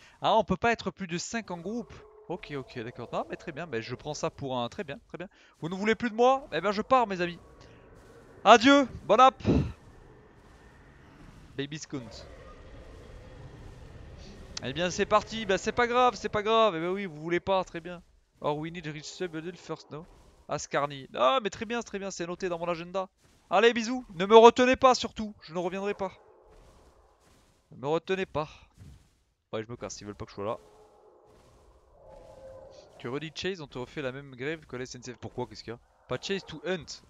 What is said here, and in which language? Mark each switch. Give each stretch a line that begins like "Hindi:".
French: Ah, on peut pas être plus de 5 en groupe. Ok, ok, d'accord. Non, mais très bien, mais je prends ça pour un... Très bien, très bien. Vous ne voulez plus de moi? Eh bien, je pars, mes amis. Adieu, bon app. Baby Scunt. Eh bien c'est parti, bah c'est pas grave, c'est pas grave. Eh bien oui, vous voulez pas, très bien.
English: Or we need to reach sub first, no? Ascarny.
French: Ah mais très bien, c'est noté dans mon agenda. Allez bisous, ne me retenez pas surtout, je ne reviendrai pas. Ne me retenez pas. Ouais je me casse, ils veulent pas que je sois là. Tu redis chase, on te refait la même grève que la SNCF. Pourquoi, qu'est-ce qu'il y a? Pas
English: chase to hunt.